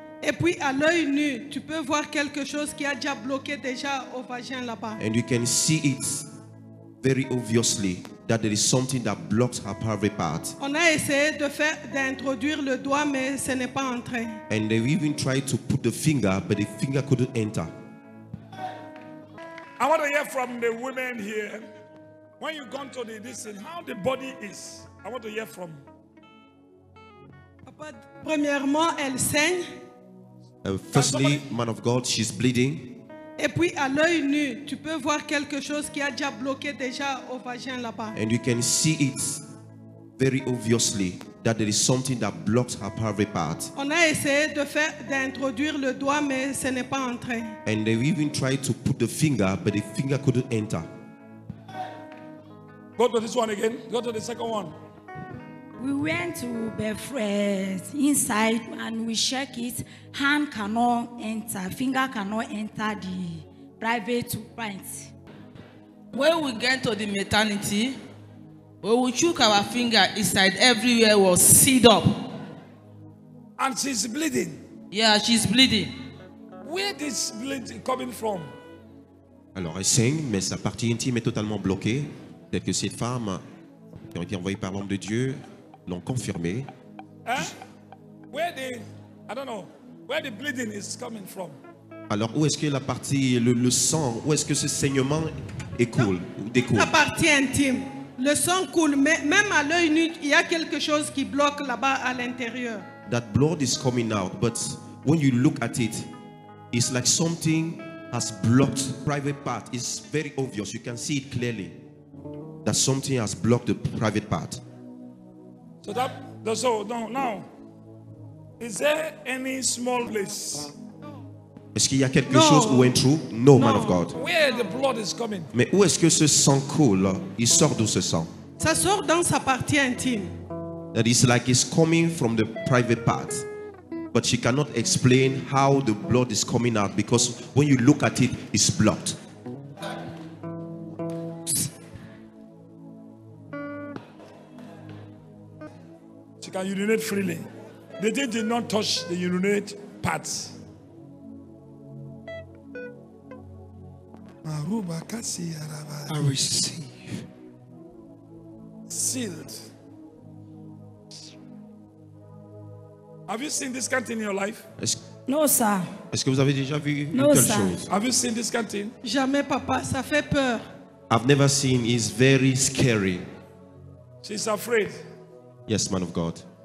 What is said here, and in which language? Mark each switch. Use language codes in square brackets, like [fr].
[fr] Et puis à l'œil nu, tu peux voir quelque chose qui a déjà bloqué déjà au vagin là-bas. [en] And you can see it very obviously that there is something that blocks her private part. [fr] On a essayé de faire d'introduire le doigt mais ce n'est pas entré. [en] And they even tried to put the finger but the finger couldn't enter. I want to hear from the women here. When you come to this, how the body is? I want to hear from. [fr] Papa, premièrement, elle saigne. [en] Firstly, man of God, she's bleeding. [fr] Et puis à l'œil nu, tu peux voir quelque chose qui a déjà bloqué déjà au vagin là-bas. [en] And you can see it very obviously that there is something that blocks her private part. [fr] On a essayé de faire d'introduire le doigt mais ce n'est pas entré. [en] And they even tried to put the finger but the finger couldn't enter. Go to this one again. Go to the second one. We went to Befres inside and we check it. Hand cannot enter, finger cannot enter the private part. When we get to the maternity, when we took our finger inside, everywhere was sealed up. And she's bleeding. Yeah, she's bleeding. Where is bleeding coming from? [fr] Alors elle saigne, mais sa partie intime est totalement bloquée. Telle que cette femme qui a été envoyée par l'homme de Dieu l'ont confirmé. Hein? [en] Where the, I don't know, where the bleeding is coming from? [fr] Alors où est-ce que la partie, le sang, où est-ce que ce saignement écoule, découle? La partie intime, Le sang coule, mais même à l'œil nu, il y a quelque chose qui bloque là-bas à l'intérieur. [en] That blood is coming out, but when you look at it, it's like something has blocked private part. It's very obvious. You can see it clearly that something has blocked the private part. So that does all. No, now, is there any small place? [fr] Est-ce qu'il y a quelque chose où est trou? [en] No, man of God. Where the blood is coming? [fr] Mais où est-ce que ce sang coule? Il sort d'où ce sang? Ça sort dans sa partie intime. [en] That is like it's coming from the private part. But she cannot explain how the blood is coming out because when you look at it, it's blocked. She can urinate freely. They did not touch the urinate parts. I receive. Sealed. Have you seen this canteen in your life? No, sir. [fr] Est-ce que vous avez déjà vu telle chose? [en] Have you seen this canteen? [fr] Jamais, papa. Ça fait peur. [en] I've never seen. It's very scary. She's afraid. Yes, man of God.